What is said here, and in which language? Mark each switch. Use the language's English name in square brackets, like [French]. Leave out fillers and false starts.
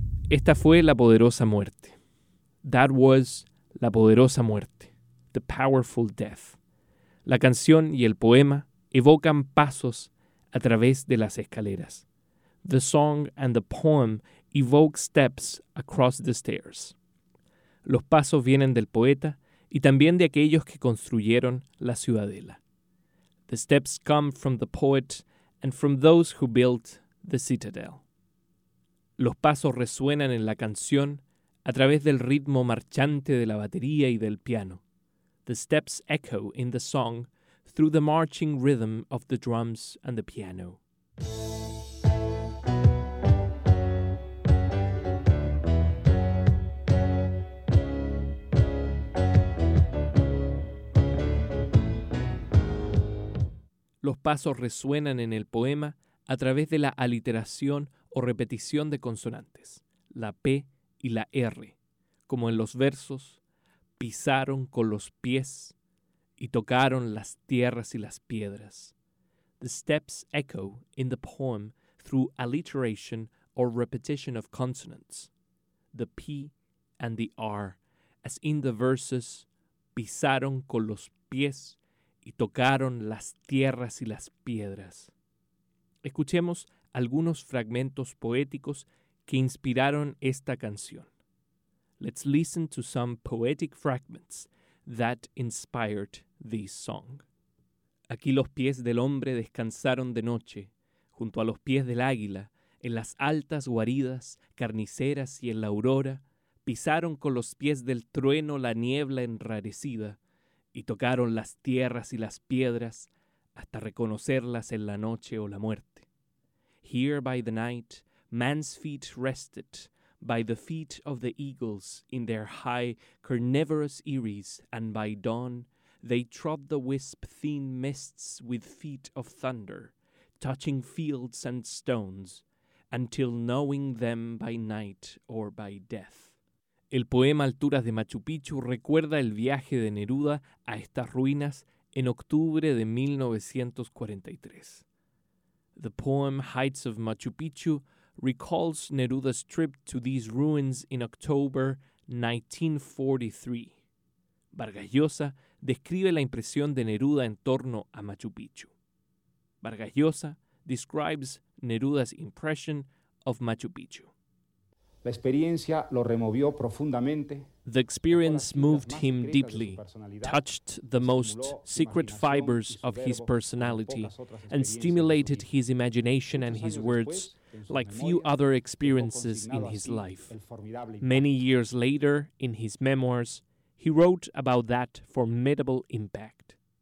[Spanish] Esta fue La Poderosa Muerte. [English] That was La Poderosa Muerte, The Powerful Death. [Spanish] La canción y el poema evocan pasos a través de las escaleras. [English] The song and the poem evoke steps across the stairs. [Spanish] Los pasos vienen del poeta y también de aquellos que construyeron la ciudadela. [English] The steps come from the poet and from those who built the citadel. [Spanish] Los pasos resuenan en la canción a través del ritmo marchante de la batería y del piano. [English] The steps echo in the song through the marching rhythm of the drums and the piano. [Spanish] Los pasos resuenan en el poema a través de la aliteración o repetición de consonantes, la P y la R, como en los versos, pisaron con los pies y tocaron las tierras y las piedras. [English] The steps echo in the poem through alliteration or repetition of consonants, the P and the R, as in the verses, [Spanish] pisaron con los pies y tocaron las tierras y las piedras. Escuchemos algunos fragmentos poéticos que inspiraron esta canción. [English] Let's listen to some poetic fragments that inspired this song. [Spanish] Aquí los pies del hombre descansaron de noche, junto a los pies del águila, en las altas guaridas, carniceras y en la aurora, pisaron con los pies del trueno la niebla enrarecida y tocaron las tierras y las piedras hasta reconocerlas en la noche o la muerte. [English] Here by the night, man's feet rested by the feet of the eagles in their high, carnivorous eyries, and by dawn, they trod the wisp-thin mists with feet of thunder, touching fields and stones, until knowing them by night or by death. [Spanish] El poema Alturas de Machu Picchu recuerda el viaje de Neruda a estas ruinas en octubre de 1943. [English] The poem Heights of Machu Picchu recalls Neruda's trip to these ruins in October 1943. [Spanish] Vargas Llosa describe la impresión de Neruda en torno a Machu Picchu. [English] Vargas Llosa describes Neruda's impression of Machu Picchu. [Spanish] La experiencia lo removió profundamente. [English] The experience moved him deeply, touched the most secret fibers of his personality, and stimulated his imagination and his words like few other experiences in his life. Many years later, in his memoirs, he wrote about that formidable impact.